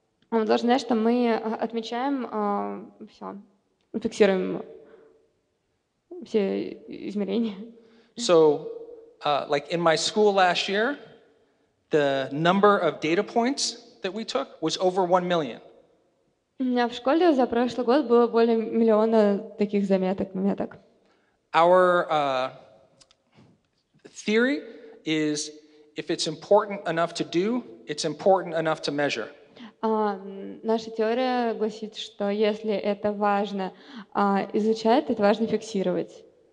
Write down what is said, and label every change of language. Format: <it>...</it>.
<ru>Мы должны знать, что мы отмечаем все, фиксируем все измерения.</ru> <en>So, like in my school last year, the number of data points that we took was over 1 million.</en> <ru>У меня в школе за прошлый год было более 1 миллиона таких заметок, меток.</ru> <en>Our theory is if it's important enough to do, it's important enough to measure.</en> <ru>Наша теория гласит, что если это важно изучать, это важно фиксировать.</ru>